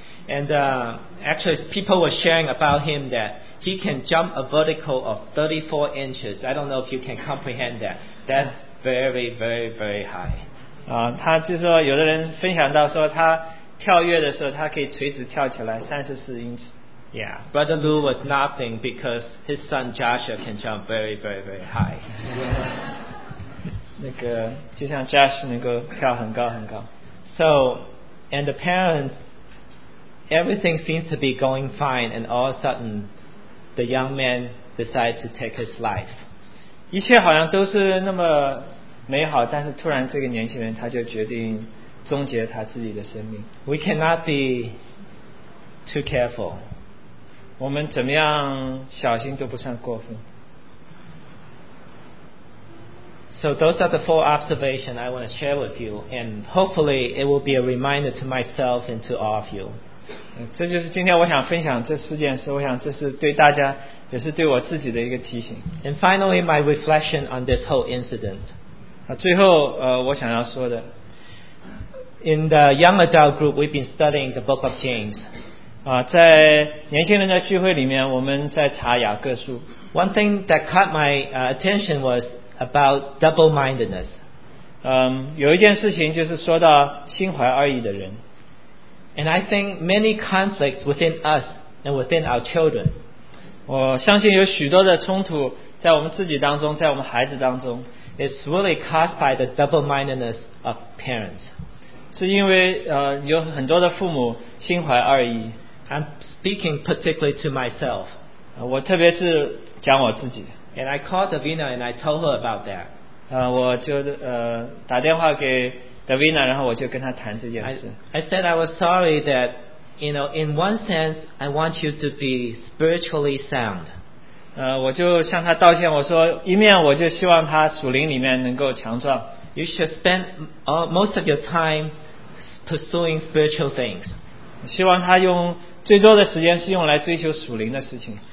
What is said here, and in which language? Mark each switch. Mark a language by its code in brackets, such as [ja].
[en] And actually, people were sharing about him that he can jump a vertical of 34 inches. I don't know if you can comprehend that. That's very, very, very high. [zh] 他就是说有的人分享到说他跳跃的时候他可以垂直跳起来34英尺。 [en] Yeah, Brother Lou was nothing because his son Joshua can jump very, very, very high. [zh] 那个就像 Josh 能够跳很高很高。 [en] So, and the parents, everything seems to be going fine and all of a sudden, the young man decides to take his life. [zh] 一切好像都是那么美好，但是突然这个年轻人他就决定终结他自己的生命。 [en] We cannot be too careful. [zh] 我们怎么样小心都不算过分。 [en] So those are the four observations I want to share with you, and hopefully it will be a reminder to myself and to all of you. [zh] 这就是今天我想分享这四件事，我想这是对大家，也是对我自己的一个提醒。 [en] And finally, my reflection on this whole incident. [zh] 最后我想要说的 [en] In the young adult group we've been studying the book of James [zh] 在年轻人的聚会里面我们在查雅各书 [en] One thing that caught my attention was about double-mindedness [zh] 有一件事情就是说到心怀二意的人 [en] And I think many conflicts within us and within our children [zh] 我相信有许多的冲突在我们自己当中在我们孩子当中 [en] It's really caused by the double-mindedness of parents. [zh] 是因为有很多的父母心怀二意。 [en] I'm speaking particularly to myself. [zh] 我特别是讲我自己。 [en] And I called Davina and I told her about that. [zh] 我就打电话给 Davina， 然后我就跟她谈这件事。 [en] I said I was sorry that, you know, in one sense, I want you to be spiritually sound. [zh] 我就向她道歉，我说一面我就希望她属灵里面能够强壮。 [en] You should spend most of your time pursuing spiritual things. [zh] 希望她用最多的时间是用来追求属灵的事情。